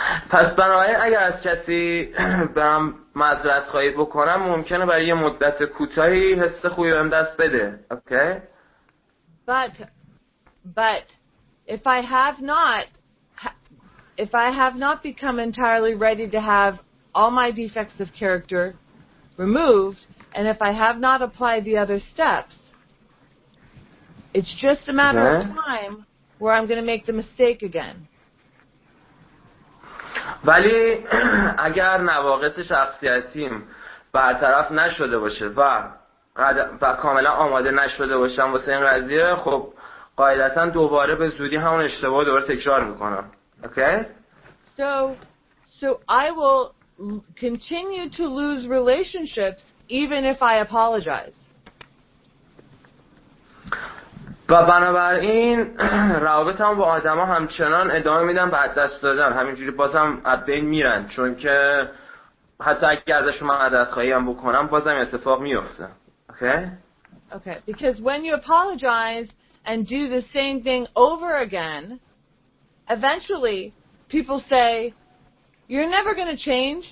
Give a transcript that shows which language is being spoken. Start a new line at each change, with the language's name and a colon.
Persian: پس بنابراین اگر از کسی برم معذرت خواهی بکنم، ممکنه برای یه مدت کوتاهی حس خوبی بهم دست بده.
English: Okay? But, if I have not, if I have not become entirely ready to have all my defects of character removed, and if I have not applied the other steps, it's just a matter okay. of time where I'm going to make the mistake again.
Persian: ولی اگر نواقص شخصیتیم برطرف نشده باشه و کاملا آماده نشده باشم واسه این قضیه، خب قاعدتا دوباره به زودی همون اشتباه دوباره تکرار میکنم.
English: Okay? So I will continue to lose relationships even if I apologize.
Persian: و بنابراین روابطم با آدم ها همچنان ادامه میدن بعد دست دادن، همینجوری بازم از بین میرن، چون که حتی اگر ازشون من عدد خواهی هم بکنم بازم اتفاق میفته.
English: Okay? Okay, because when you apologize and do the same thing over again, eventually people say, you're never going to change.